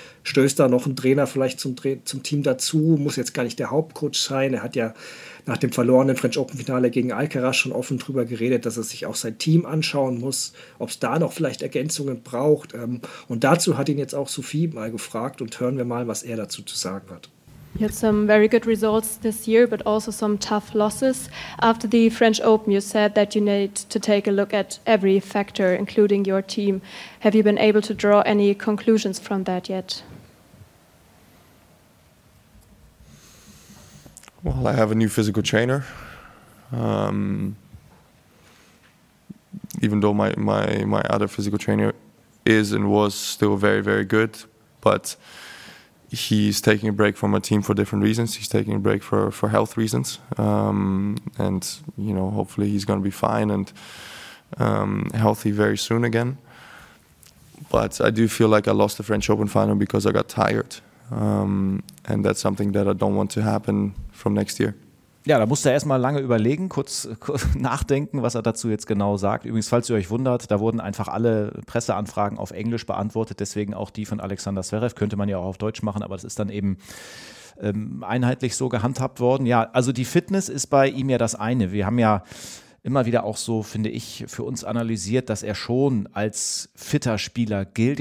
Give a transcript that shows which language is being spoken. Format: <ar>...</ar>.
<de>Stößt da noch ein Trainer vielleicht zum Team dazu? Muss jetzt gar nicht der Hauptcoach sein. Er hat ja nach dem verlorenen French Open Finale gegen Alcaraz schon offen drüber geredet, dass er sich auch sein Team anschauen muss, ob es da noch vielleicht Ergänzungen braucht. Und dazu hat ihn jetzt auch Sophie mal gefragt und hören wir mal, was er dazu zu sagen hat.</de> <en>You had some very good results this year, but also some tough losses. After the French Open, you said that you need to take a look at every factor, including your team. Have you been able to draw any conclusions from that yet? Well, I have a new physical trainer. Even though my other physical trainer is and was still very, very good, but he's taking a break from my team for different reasons. He's taking a break for health reasons. And, you know, hopefully he's going to be fine and healthy very soon again. But I do feel like I lost the French Open final because I got tired. And that's something that I don't want to happen from next year.</en> <de>Ja, da musste er erstmal lange überlegen, kurz nachdenken, was er dazu jetzt genau sagt. Übrigens, falls ihr euch wundert, da wurden einfach alle Presseanfragen auf Englisch beantwortet, deswegen auch die von Alexander Zverev, könnte man ja auch auf Deutsch machen, aber das ist dann eben einheitlich so gehandhabt worden. Ja, also die Fitness ist bei ihm ja das eine. Wir haben ja immer wieder auch so, finde ich, für uns analysiert, dass er schon als fitter Spieler gilt.</de>